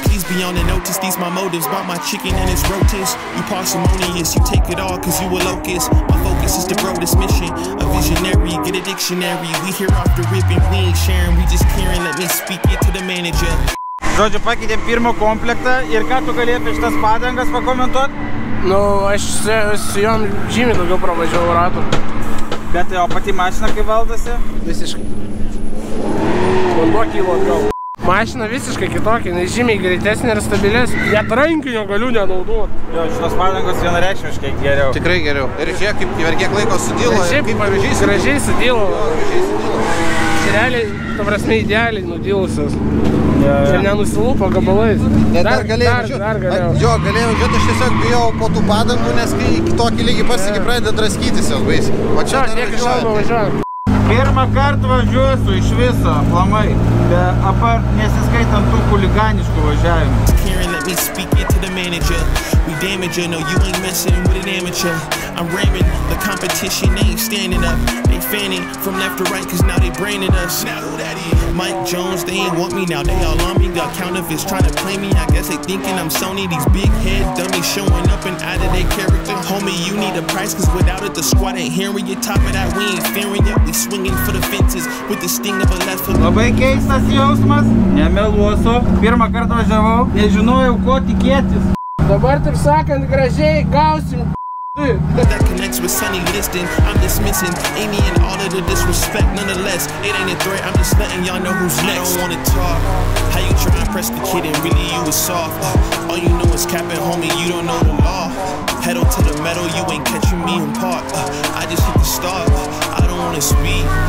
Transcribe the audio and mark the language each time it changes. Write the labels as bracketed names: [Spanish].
[English] Beyond the notice, these my motives. Bought my chicken and it's rotis. You parsimonious, you take it all cause you a locust. My focus is to grow this mission. A visionary, get a dictionary. We hear off the rip and we ain't sharing. We just caring, let me speak it to the manager. [Lithuanian] Žodžiu, pakeitėm pirmo komplektą. Ir ką tu galėtų šitas padangas pakomentuot? Nu, aš su jom žymiai daugiau pravažiavau ratų. Bet jo pati mašina kaip valdasi? Visiškai. Vanduo kylo atgal. Mašina visiškai kitokia, nes žymiai greitesnė ir stabilės. Net rankinio galiu nenaudot. Jo, šitos padangos vienareikšmiškai geriau. Tikrai geriau. Ir žiūrėk, kiek laiko sudylo. Šiaip, kaip gražiai sudylo. Gražiai sudylo. Realiai, to prasme, idealiai nudylusios. Čia nenusilupo gabalais. Ne, dar galėjau žiūrėti. Jo, galėjau žiūrėti, aš tiesiog bijau po tų padangų, nes kai kitokį lygį pasiekį pradeda draskytis jau baisiai. O čia nevažiuojant. Pirmą kartą važiuosiu iš viso, aplamai, be apart nesiskaitant tų kuliganiškų važiavimų. [English] Damager, no, you ain't messing with an amateur. I'm ramming, the competition ain't standing up. They fanning from left to right, cause now they braining us. Now who that is? Mike Jones, they ain't want me now. They all on me, got counterfeits trying to play me. I guess they thinking I'm Sony. These big head dummies showing up and out of their character. Homie, you need a price, cause without it, the squad ain't hearing you. Top of that, we ain't fearing it. We swinging for the fences with the sting of a left hook. [Lithuanian] Labai keistas jausmas, nemeluosiu. Pirmą kartą važiavau, nežinojau, ko tikėtis. Dabar, taip sakant, gražiai gausim. [English] That connects with Sunny Liston. I'm dismissing Amy and all of the disrespect. Nonetheless, it ain't a threat. I'm just letting y'all know who's next. I don't wanna talk. How you try and press the kid and really you was soft. All you know is capping, homie, you don't know the law. Pedal to the metal, you ain't catching me in park. I just hit the start. I don't wanna speak.